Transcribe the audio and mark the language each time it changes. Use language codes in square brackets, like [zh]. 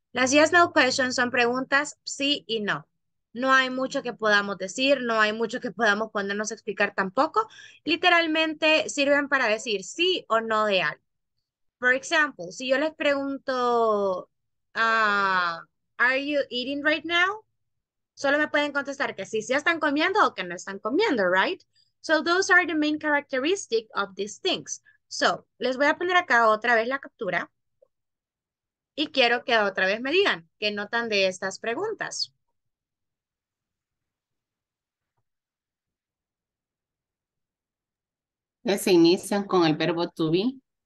[es] Las yes, no questions son preguntas sí y no. No hay mucho que podamos decir, no hay mucho que podamos ponernos a explicar tampoco. Literalmente sirven para decir sí o no de algo. [en] For example, [es] si yo les pregunto, [en] are you eating right now? [es] Solo me pueden contestar que sí, sí están comiendo o que no están comiendo, [en] right? So those are the main characteristics of these things. So, [es] les voy a poner acá otra vez la captura. Y quiero que otra vez me digan qué notan de estas preguntas. Se inician con el verbo to be.